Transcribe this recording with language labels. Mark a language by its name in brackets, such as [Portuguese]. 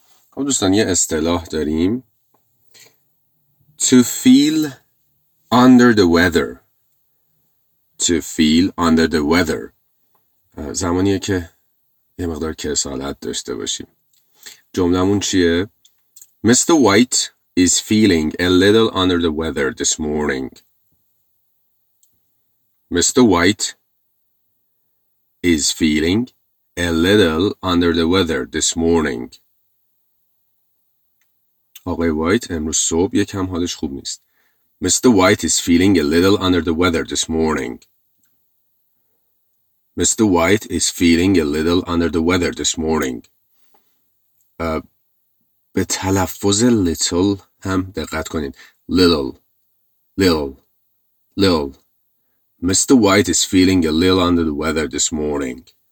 [Persian] خب دوستان یه اصطلاح داریم. [English] To feel under the weather. To feel under the weather. [Persian] زمانیه که یه مقدار کسالت داشته باشیم. جمله‌مون چیه؟ Mr. [English] White is feeling a little under the weather this morning. Mr. White is feeling a little under the weather this morning. [Persian] آقای وایت امروز صبح یکم حالش خوب نیست. [English] Mr. White is feeling a little under the weather this morning. Mr. White is feeling a little under the weather this morning. [Persian] به تلفظ little هم دقت کنید. [English] Little. Little. Little. Mr. White is feeling a little under the weather this morning.